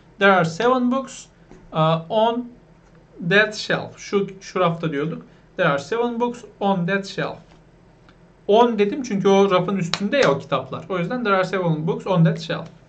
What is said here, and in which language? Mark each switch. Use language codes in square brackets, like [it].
[en] There are 7 books on that shelf. [tr] Şu rafta diyorduk. [en] There are 7 books on that shelf. [tr] 10 dedim çünkü o rafın üstünde ya o kitaplar. O yüzden [en] there are 7 books on that shelf.